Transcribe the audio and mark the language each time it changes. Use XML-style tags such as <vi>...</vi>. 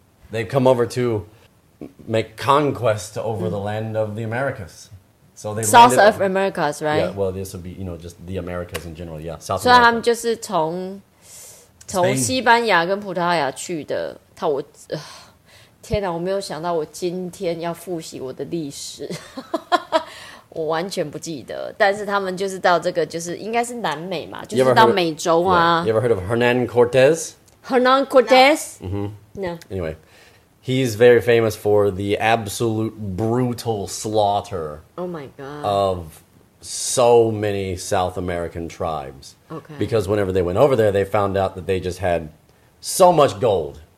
<en>They come over to make conquest over the land of the Americas. So they South of Americas, right? Yeah, well, this would be, you know, just the Americas in general, yeah. South</en> <zh>America. 所以他们就是从西班牙跟葡萄牙去的。他我天哪，我没有想到我今天要复习我的历史，我完全不记得。但是他们就是到这个，就是应该是南美嘛，就是到美洲啊。</zh> <en>You ever heard of, ever heard of Hernan Cortez? Hernan Cortez? No. Mm-hmm. No. Anyway, he's very famous for the absolute brutal slaughter Oh my God. of so many South American tribes. Okay. Because whenever they went over there, they found out that they just had so much gold.</en>